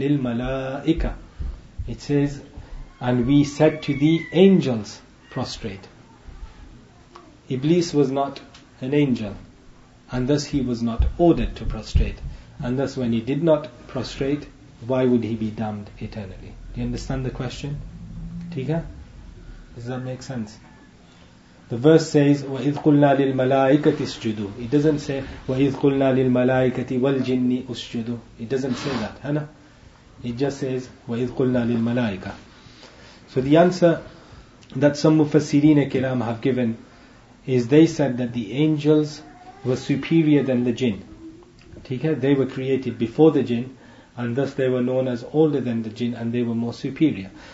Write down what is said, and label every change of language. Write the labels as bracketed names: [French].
[English] لِلْمَلَائِكَ, it says, and we said to the angels, prostrate. Iblis was not an angel, and thus he was not ordered to prostrate. And thus when he did not prostrate, why would he be damned eternally? Do you understand the question? Tika? Does that make sense? The verse says, [Arabic] وَإِذْ قُلْنَا لِلْمَلَائِكَةِ اسْجُدُوا. [English] It doesn't say, [Arabic] وَإِذْ قُلْنَا لِلْمَلَائِكَةِ وَالْجِنِّ اسْجُدُوا. [English] It doesn't say that, hana? It just says, [Arabic] وَإِذْ قُلْنَا لِلْمَلَائِكَةِ. [English] So the answer that some Mufassirin al-Kiram have given is they said that the angels were superior than the jinn. Okay? They were created before the jinn, and thus they were known as older than the jinn, and they were more superior.